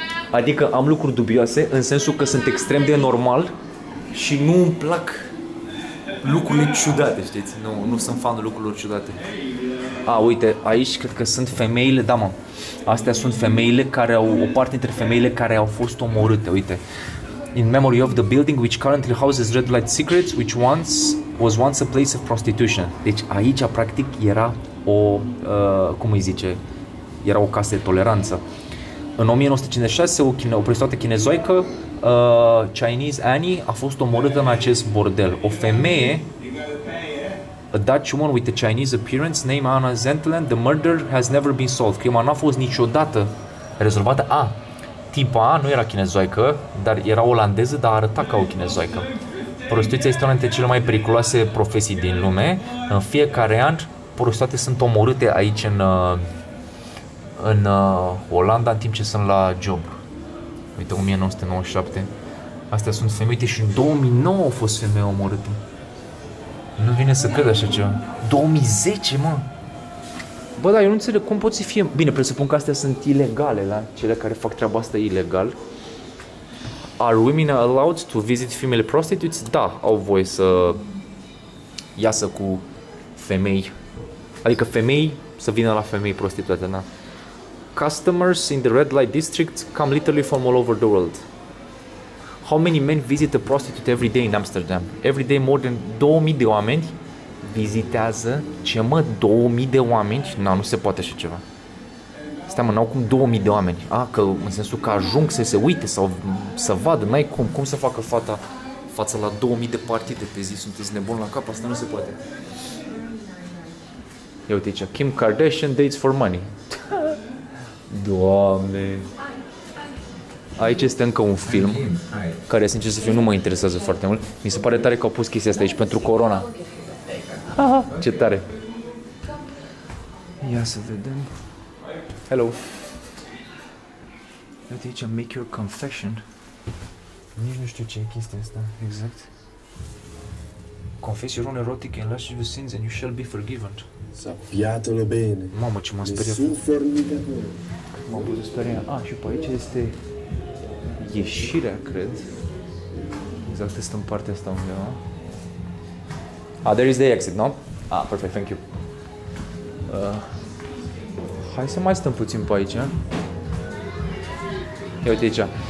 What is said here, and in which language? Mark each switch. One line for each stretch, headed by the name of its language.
Romanian: Adică am lucruri dubioase în sensul că sunt extrem de normal și nu îmi plac lucrurile ciudate, știți? Nu sunt fan de lucrurilor ciudate. A, uite, aici cred că sunt femeile, da, mă. Astea sunt femeile care au, o parte dintre femeile care au fost omorâte, uite.
English: In memory of the building which currently houses Red Light Secrets, which once was once a place of prostitution.
Romanian: Deci aici practic era o cum îi zice, era o casă de toleranță. În 1956 o prostituată chinezoică, Chinese Annie, a fost omorâtă în acest bordel. O femeie,
English: a Dutch woman with a Chinese appearance named Anna Zentland, the murder has never been solved.
Romanian: Crima n-a fost niciodată rezolvată. Tipa nu era chinezoică, dar era olandeză, dar arăta ca o chinezoică. Prostituția este una dintre cele mai periculoase profesii din lume. În fiecare an, prostituate sunt omorâte aici în Olanda, în timp ce sunt la job. Uite, 1997. Astea sunt femei. Uite, și în 2009 au fost femei omorâte. Nu vine să cred așa ceva. 2010, mă! Bă, dar eu nu înțeleg cum poți să fie... Bine, presupun că astea sunt ilegale, da? Cele care fac treaba asta ilegal.
English: Are women allowed to visit female prostitutes?
Romanian: Da, au voie să iasă cu femei. Adică femei să vină la femei prostituate, da?
English: Customers in the red light district come literally from all over the world. How many men visit a prostitute every day in Amsterdam? Every day more than 2000
Romanian: de oameni. Vizitează, ce mă, 2000 de oameni? Na, nu se poate așa ceva. Stai mă, n-au cum 2000 de oameni. A, că în sensul că ajung să se uite sau să vadă, n-ai cum. Cum să facă fata față la 2000 de partide pe zi? Sunteți nebun la cap? Asta nu se poate. Ia uite aici, Kim Kardashian
English: dates for money.
Romanian: Doamne. Aici este încă un film care, sincer să fiu, nu mă interesează foarte mult. Mi se pare tare că au pus chestia asta aici pentru corona. Aha, ce tare. Ia să vedem. Hello. Ia uite aici,
English: make your confession.
Romanian: Nici nu știu ce e chestia asta. Exact.
English: Confess your own erotic and lascivious sins and you shall be forgiven.
Romanian: Iată-le bine. Mamă, ce m-a speriat. M-a pus speriat. Ah, și pe aici este ieșirea, cred. Exact, este în partea asta undeva.
English: Ah, there is the exit, no? Ah, perfect, thank you.
Romanian: Hai să mai stăm puțin pe aici. Ia uite aici.